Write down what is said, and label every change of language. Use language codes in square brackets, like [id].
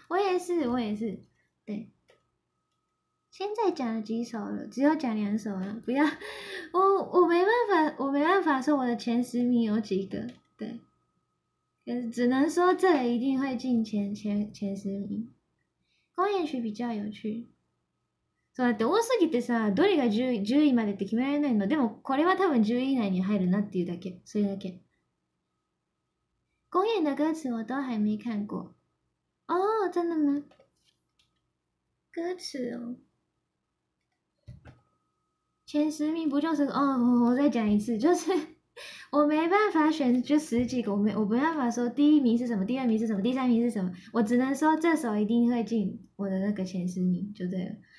[zh] 我也是，对。现在讲了几首了，只有讲两首了。不要，我没办法说我的前十名有几个，对。只能说这里一定会进前十名。公演曲比较有趣。 [ja] そうだって多すぎてさ、どれが10位までって決められないの。でもこれは多分10位以内に入るなっていうだけ、それだけ。 [zh] 公演的歌词我都还没看过。哦，真的吗？歌词哦。前十名不就是哦？我再讲一次，就是我没办法选，就十几个，我没办法说第一名是什么，第二名是什么，第三名是什么，我只能说这首一定会进我的那个前十名就对了。